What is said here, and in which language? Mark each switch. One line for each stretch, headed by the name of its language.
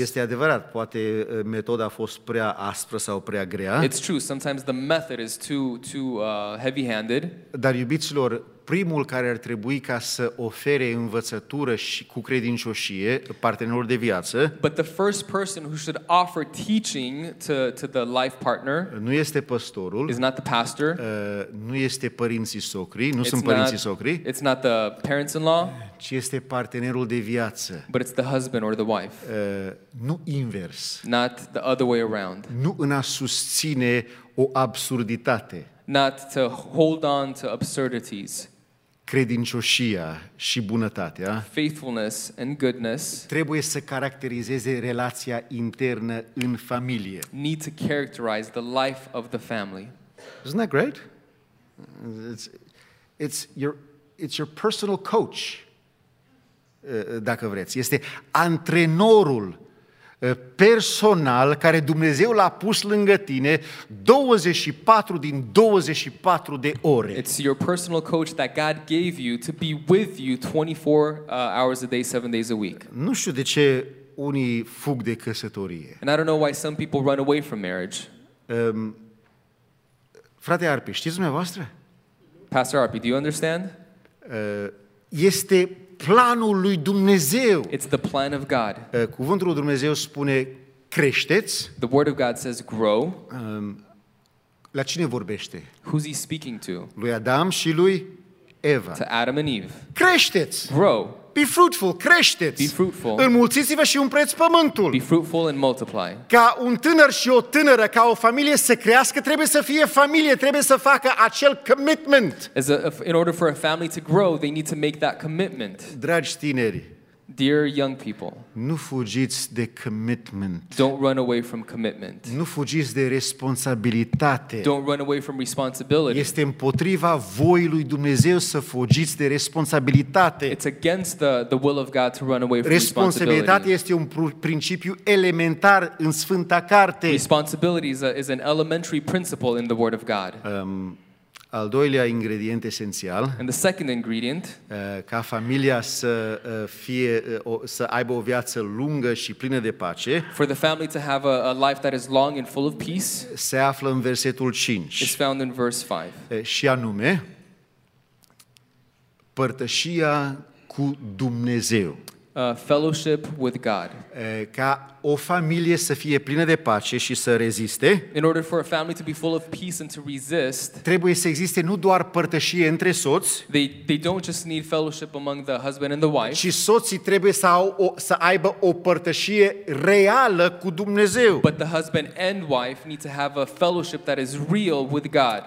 Romanian: Este adevărat, poate metoda a fost prea aspră sau prea grea.
English: It's true, sometimes the method is too heavy-handed.
Romanian: Dar iubiților, primul care ar trebui ca să ofere învățătură și cu credincioșie partenerul de viață,
English: but the first person who should offer teaching to the life partner,
Romanian: nu este pastorul,
English: is not the pastor,
Romanian: nu este părinții socri, nu sunt părinții socri,
English: it's not the parents-in-law,
Romanian: ci este partenerul de viață,
English: but it's the husband or the wife,
Romanian: nu invers,
English: not the other way around,
Romanian: nu în a susține o absurditate,
English: not to hold on to absurdities.
Romanian: Credincioșia și bunătatea,
English: faithfulness and goodness,
Romanian: trebuie să caracterizeze relația internă în familie.
English: Need to characterize the life of the family. Isn't that great? It's your personal coach,
Romanian: dacă vreți. Este antrenorul personal care Dumnezeu l-a pus lângă tine 24 din 24 de ore.
English: It's your personal coach that God gave you to be with you 24 hours a day, 7 days a week.
Romanian: Nu știu de ce unii fug de căsătorie.
English: And I don't know why some people run away from marriage.
Romanian: Frate Arpi, știți dumneavoastră?
English: Pastor Arpi, do you understand?
Romanian: Este planul lui Dumnezeu.
English: It's the plan of God.
Romanian: Cuvântul lui Dumnezeu spune creșteți.
English: The word of God says grow.
Romanian: La cine vorbește?
English: Who's he speaking to?
Romanian: Lui Adam și lui Eva.
English: To Adam and Eve.
Romanian: Creșteți.
English: Grow. Be fruitful,
Romanian: creșteți.
English: Be fruitful.
Romanian: Înmulțiți-vă și umpleți pământul.
English: Be fruitful and multiply.
Romanian: Ca un tânăr și o tânără, ca o familie să crească, trebuie să fie familie, trebuie să facă acel commitment.
English: In order for a family to grow, they need to make that commitment.
Romanian: Dragi tineri,
English: dear young people,
Romanian: nu fugiți de commitment.
English: Don't run away from commitment.
Romanian: Nu fugiți de responsabilitate.
English: Don't run away from responsibility.
Romanian: Este împotriva voii lui Dumnezeu să fugiți de responsabilitate.
English: It's against the will of God to run away from
Romanian: Responsabilitatea este un principiu elementar în Sfânta Carte.
English: Responsibility is an elementary principle in the Word of God.
Romanian: Al doilea ingredient esențial,
English: and the second ingredient,
Romanian: ca familia să fie să aibă o viață lungă și plină de pace,
English: for the family to have a life that is long and full of peace,
Romanian: se află în versetul 5.
English: It's found in verse 5.
Romanian: Și anume părtășia cu Dumnezeu.
English: Fellowship with God.
Romanian: Ca o familie să fie plină de pace și să reziste,
English: in order for a family to be full of peace and to resist,
Romanian: trebuie să existe nu doar părtășie între soți,
English: they don't just need fellowship among the husband and the wife,
Romanian: ci soții trebuie să aibă o părtășie reală cu Dumnezeu.
English: But the husband and wife need to have a fellowship that is real with God.